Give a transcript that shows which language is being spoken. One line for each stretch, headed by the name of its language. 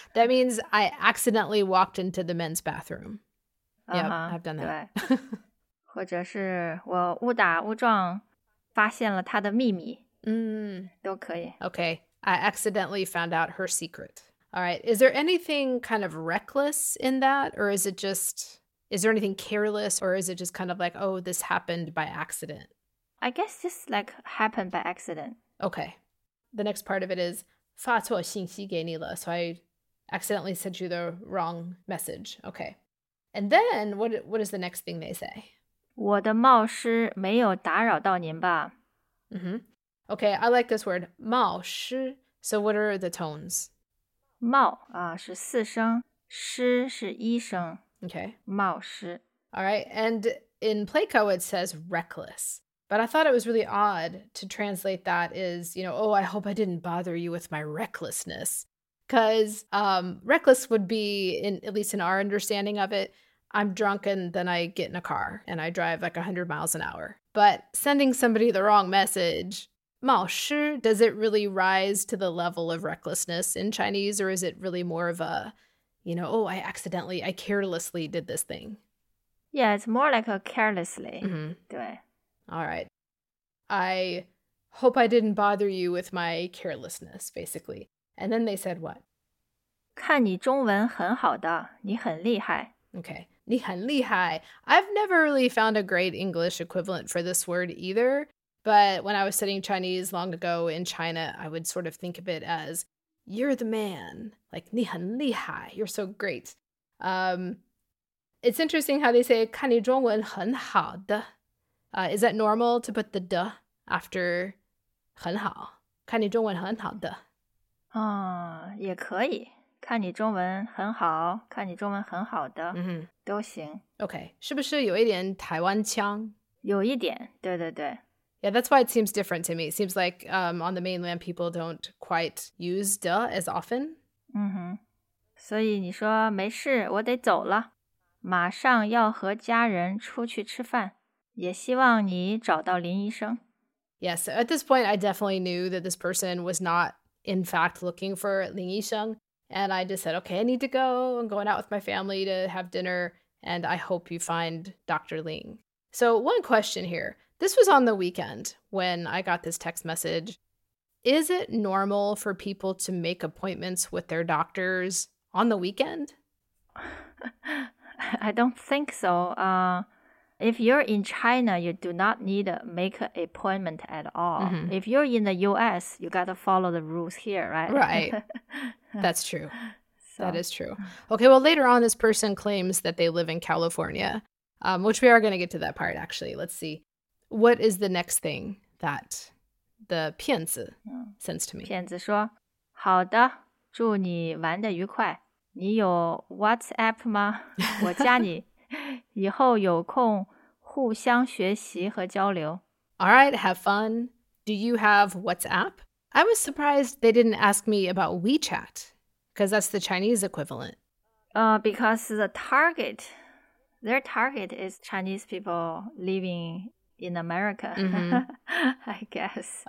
English: That means I accidentally walked into the men's bathroom. Yeah, uh-huh, I've done that.
Chinese: 对。或者是我误打误撞发现了他的秘密。都可以。
English: Okay, I accidentally found out her secret. All right, is there anything kind of reckless in that? Or is it just, is there anything careless? Or is it just kind of like, oh, this happened by accident? I guess just like happened by accident. Okay. The next part of it is,
Chinese: 发错信息给你了.
English: So I accidentally sent you the wrong message. Okay. And then what is the next thing they say?
Chinese: 我的冒失没有打扰到您吧。
English: Mm-hmm. Okay, I like this word, 冒失.So what are the tones?
Chinese: 冒、是四声，失是一声。
English: Okay.
Chinese: 冒失。
English: All right. And in Playco, it says reckless. But I thought it was really odd to translate that as, you know, oh, I hope I didn't bother you with my recklessness. Because reckless would be, in, at least in our understanding of it, I'm drunk and then I get in a car and I drive like 100 miles an hour. But sending somebody the wrong message... 冒失, does it really rise to the level of recklessness in Chinese, or is it really more of a, you know, oh, I carelessly did this thing? Yeah, it's more like a carelessly. Mm-hmm.
Chinese: 对。
English: All right. I hope I didn't bother you with my carelessness, basically. And then they said what?
Chinese: 看你中文很好的,你很厉害。 Okay. 你很厉害。
English: I've never really found a great English equivalent for this word either. But when I was studying Chinese long ago in China, I would sort of think of it as, you're the man, like,
Chinese: 你很厉害,
English: you're so great. It's interesting how they say,
Chinese: 看你中文很好的.
English: Is that normal to put the 的
Chinese: after 很好，看你中文很好的。哦，也可以，看你中文很好，看你中文很好的，嗯，都行。 OK， 是不是有一点台湾腔？有一点，对对对。
English: Yeah, that's why it seems different to me. It seems like on the mainland, people don't quite use 的 as often.
Chinese: 嗯哼，所以你说没事，我得走了。马上要和家人出去吃饭，也希望你找到林医生。
English: Yes, so at this point, I definitely knew that this person was not, in fact, looking for 林医生. And I just said, okay, I need to go. I'm going out with my family to have dinner. And I hope you find Dr. Ling. So one question here. This was on the weekend when I got this text message. Is it normal for people to make appointments with their doctors on the weekend? I don't think so. If you're in China, you do not need to make an appointment at all. Mm-hmm. If you're in the US, you got to follow the rules here, right? Right. That's true. So. That is true. Okay, well, later on, this person claims that they live in California, which we are going to get to that part, actually. Let's see. What is the next thing that the 骗子 sends to me?
Chinese: 骗子说，好的，祝你玩得愉快。你有 WhatsApp 吗？我加你，以后有空互相学习和交流。
English: All right, have fun. Do you have WhatsApp? I was surprised they didn't ask me about WeChat, because that's the Chinese equivalent. Because the target, their target is Chinese people living in America, mm-hmm. I guess.